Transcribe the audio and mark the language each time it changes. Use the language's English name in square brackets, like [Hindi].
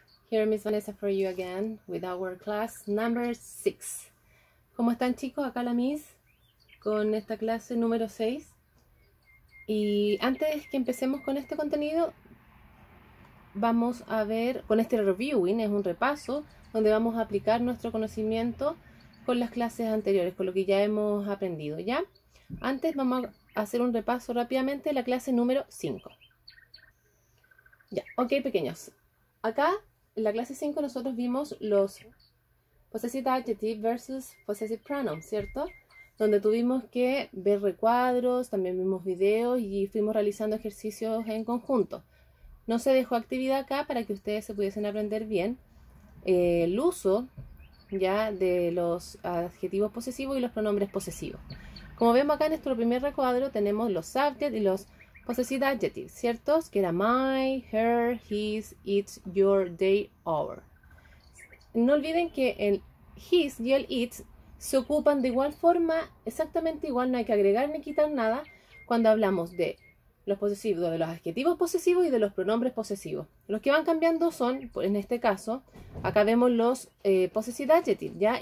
[English] Here, Miss Vanessa, for you again with our class number 6. [Spanish] ¿Cómo están, chicos? Acá la Miss con esta clase número 6. Y antes que empecemos con este contenido, vamos a ver con este reviewing, es un repaso donde vamos a aplicar nuestro conocimiento con las clases anteriores, con lo que ya hemos aprendido, ¿ya? Antes vamos a hacer un repaso rápidamente de la clase número 5. Ya, ok, pequeños. Acá, en la clase 5, nosotros vimos los [English] possessive adjective versus possessive pronoun, [Spanish] ¿cierto? Donde tuvimos que ver recuadros, también vimos videos y fuimos realizando ejercicios en conjunto. No se dejó actividad acá para que ustedes se pudiesen aprender bien el uso ya de los adjetivos posesivos y los pronombres posesivos. Como vemos acá en nuestro primer recuadro, tenemos los subject y los possessive adjectives, ¿cierto? Que era [English] my, her, his, it's, your, they, our. [Spanish] No olviden que el his y el it's se ocupan de igual forma, exactamente igual, no hay que agregar ni quitar nada cuando hablamos de los posesivos, de los adjetivos posesivos y de los pronombres posesivos. Los que van cambiando son, en este caso, acá vemos los possessive adjectives, ¿ya?